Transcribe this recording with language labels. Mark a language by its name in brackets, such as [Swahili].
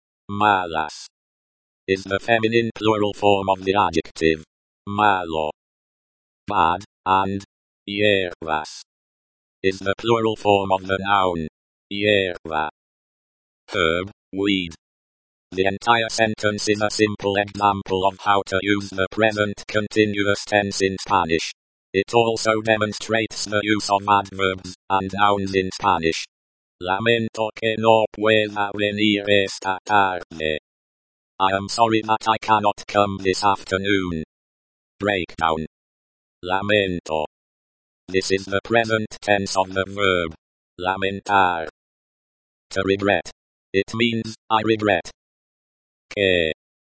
[English] Malas is the feminine plural form of the adjective malo, bad, and hierbas is the plural form of the noun hierba, herb, weed. The entire sentence is a simple example of how to use the present continuous tense in Spanish. It also demonstrates the use of adverbs and nouns in Spanish. [Spanish] Lamento que no pueda venir esta tarde. [English] I am sorry that I cannot come this afternoon. Breakdown. Lamento. This is the present tense of the verb. Lamentar. To regret. It means, I regret. Que.